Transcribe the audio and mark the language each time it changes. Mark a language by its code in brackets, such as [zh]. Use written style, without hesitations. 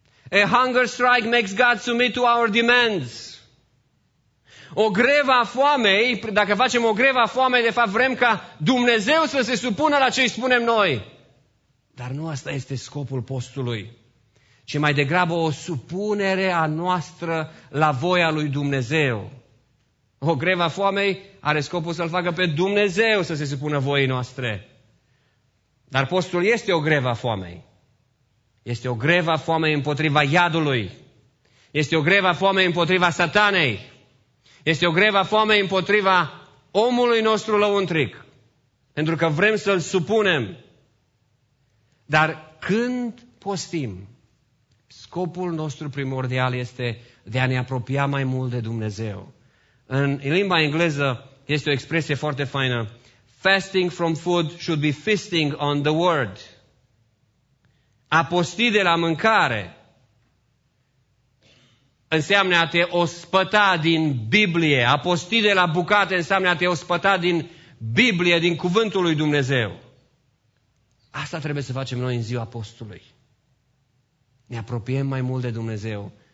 [en] A hunger strike makes God submit to our demands. [ro] O grevă a foamei, dacă facem o grevă a foamei, de fapt vrem ca Dumnezeu să se supună la ce îi spunem noi. Dar nu asta este scopul postului, ci mai degrabă o supunere a noastră la voia lui Dumnezeu. O grevă a foamei are scopul să-L facă pe Dumnezeu să se supună voii noastre. Dar postul este o grevă a foamei. Este o grevă a foamei împotriva iadului. Este o grevă a foamei împotriva satanei. Este o grevă a foamei împotriva omului nostru lăuntric. Pentru că vrem să-l supunem. Dar când postim, scopul nostru primordial este de a ne apropia mai mult de Dumnezeu. În limba engleză este o expresie foarte faină. [en] Fasting from food should be feasting on the word. [ro] A posti de la mâncare înseamnă a te ospăta din Biblie. A posti de la bucate înseamnă a te ospăta din Biblie, din cuvântul lui Dumnezeu. Asta trebuie să facem noi în ziua postului. Ne apropiem mai mult de Dumnezeu.